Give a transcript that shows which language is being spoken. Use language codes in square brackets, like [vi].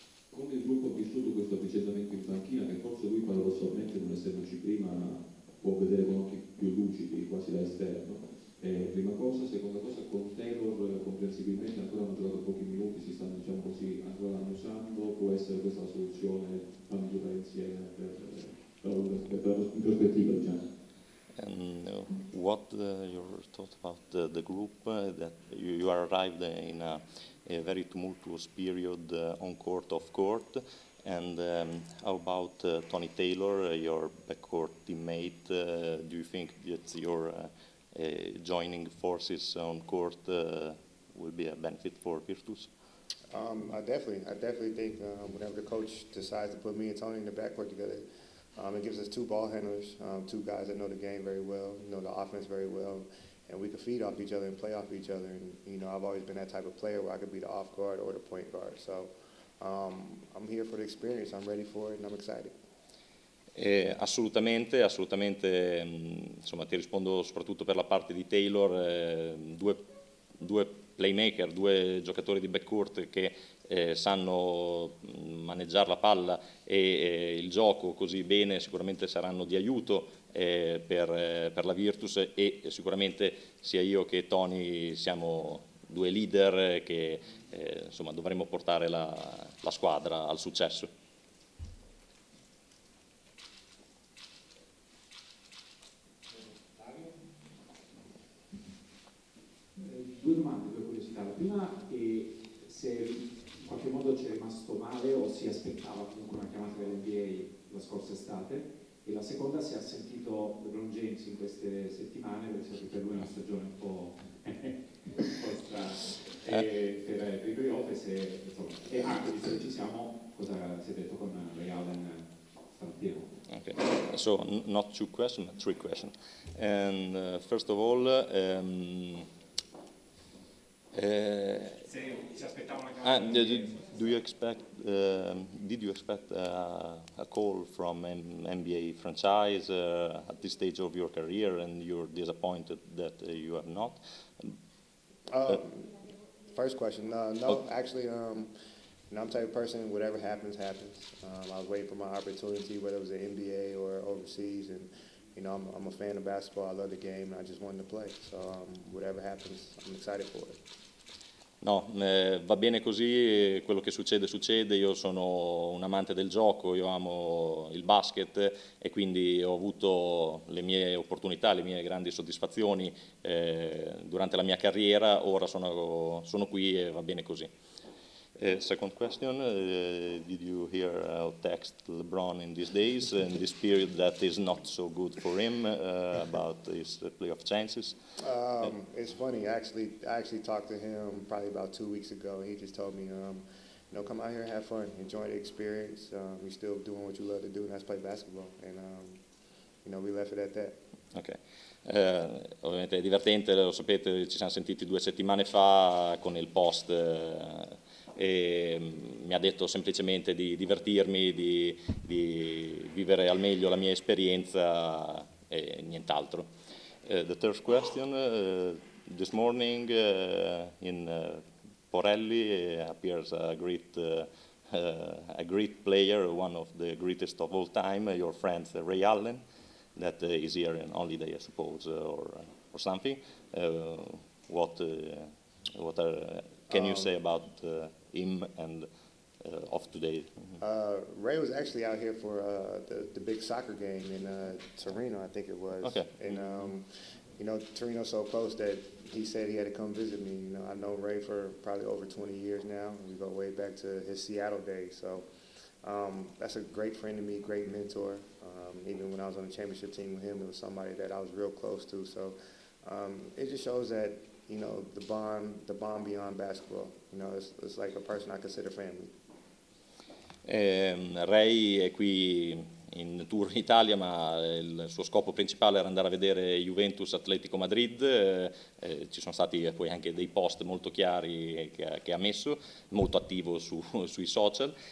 [it] Come il gruppo ha vissuto questo avvicendamento in panchina, che forse lui paradossalmente, non essendoci prima, può vedere con occhi più lucidi, quasi da esterno? Prima cosa. Seconda cosa, con Taylor comprensibilmente ancora hanno giocato pochi minuti, si stanno, diciamo così, ancora annusando, può essere questa la soluzione a migliorare insieme per in prospettiva, diciamo? [en] What your thought about the group that you arrived in a very tumultuous period on court, off court, and how about Tony Taylor, your backcourt teammate? Do you think that your joining forces on court will be a benefit for Virtus? I definitely think whenever the coach decides to put me and Tony in the backcourt together, it gives us two ball handlers, two guys that know the game very well, know the offense very well, and we can feed off each other and play off each other. And, you know, I've always been that type of player where I could be the off guard or the point guard. So I'm here for the experience. I'm ready for it, and I'm excited. [it] Assolutamente, assolutamente. Insomma, ti rispondo soprattutto per la parte di Taylor, due playmaker, due giocatori di backcourt che sanno maneggiare la palla e il gioco così bene, sicuramente saranno di aiuto per la Virtus, e sicuramente sia io che Tony siamo due leader che insomma, dovremo portare la squadra al successo. Due domande per curiosità. La prima è se in qualche modo ci è rimasto male o si aspettava comunque una chiamata dell'NBA la scorsa estate, e la seconda se ha sentito LeBron James in queste settimane, perché so che per lui è una stagione un po' strana, per i playoff, e se, insomma, e anche visto che ci siamo, cosa si è detto con Ray Allen stamattina? [en] Okay, so not two questions, but three questions. And first of all, do you expect? Did you expect a call from an NBA franchise at this stage of your career, and you're disappointed that you have not? First question. Actually, and I'm the type of person, whatever happens, happens. I was waiting for my opportunity, whether it was the NBA or overseas, and you know, I'm a fan of basketball. I love the game, and I just wanted to play. So whatever happens, I'm excited for it. [it] No, va bene così, quello che succede succede, io sono un amante del gioco, io amo il basket, e quindi ho avuto le mie opportunità, le mie grandi soddisfazioni durante la mia carriera, ora sono qui e va bene così. [en] Second question, did you hear or text LeBron in these days, in this period that is not so good for him, about his playoff chances? It's funny, I actually talked to him probably about 2 weeks ago. He just told me, you know, come out here and have fun, enjoy the experience, you're still doing what you love to do, and that's play basketball, and you know, we left it at that. Okay. [it] Ovviamente è divertente, lo sapete, ci siamo sentiti 2 settimane fa con il post, e mi ha detto semplicemente di divertirmi, di vivere al meglio la mia esperienza e nient'altro. [en] The third question, this morning in Porelli appears a great player, one of the greatest of all time, your friend Ray Allen, that is here in holiday, I suppose, or something. What can you say about him and of today? Ray was actually out here for the big soccer game in Torino, I think it was. Okay. And you know, Torino's so close that he said he had to come visit me. You know, I know Ray for probably over 20 years now. We go way back to his Seattle days. So that's a great friend to me, great mentor. Even when I was on the championship team with him, it was somebody that I was real close to. So it just shows that, you know, the bond beyond basketball. You know, it's like a person I consider family. [it] Ray è qui in tour in Italia, ma il suo scopo principale era andare a vedere Juventus Atletico Madrid. Ci sono stati poi anche dei post molto chiari che ha messo, molto attivo sui social.